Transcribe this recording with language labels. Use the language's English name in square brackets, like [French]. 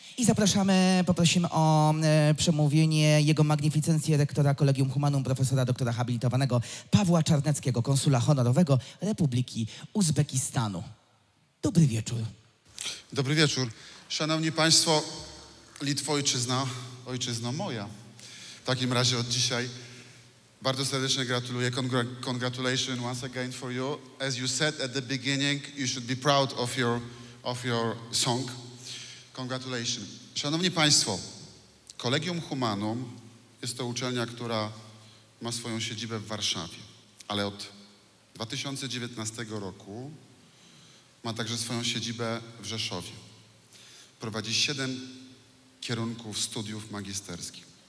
[Polish] I zapraszamy, poprosimy o przemówienie Jego Magnificencję rektora Kolegium Humanum, profesora doktora habilitowanego Pawła Czarneckiego, konsula honorowego Republiki Uzbekistanu. Dobry wieczór. Dobry wieczór. Szanowni Państwo, Litwojczyzna, ojczyzno moja. W takim razie od dzisiaj bardzo serdecznie gratuluję. [English] Congratulations once again for you. As you said at the beginning, you should be proud of your song. Congratulations. [Polish] Szanowni Państwo, Kolegium Humanum jest to uczelnia, która ma swoją siedzibę w Warszawie, ale od 2019 roku ma także swoją siedzibę w Rzeszowie. Prowadzi 7 kierunków studiów magisterskich.